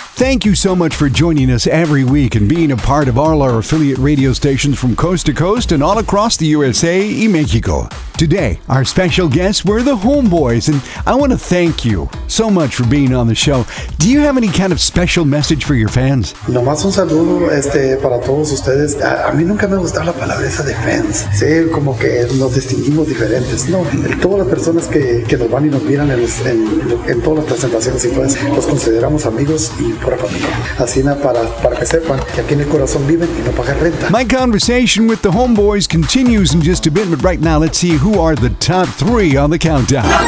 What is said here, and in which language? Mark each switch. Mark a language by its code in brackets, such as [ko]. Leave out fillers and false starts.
[en] Thank you so much for joining us every week and being a part of all our affiliate radio stations from coast to coast and all across the USA y Mexico. Today, our special guests were the Homeboys, and I want to thank you so much for being on the show. Do you have any kind of special message for your fans? [es] Nomás un saludo para todos ustedes. A mí nunca me gustaba la palabra esa de fans. Sí, como que nos distinguimos diferentes, ¿no? Todas las personas que nos van y nos miran en todas las presentaciones y todas, los consideramos amigos y pura familia. Así para que sepan que aquí en el corazón viven y no pagan renta. [en] My conversation with the Homeboys continues in just a bit, but right now, let's see who are the top three on the countdown.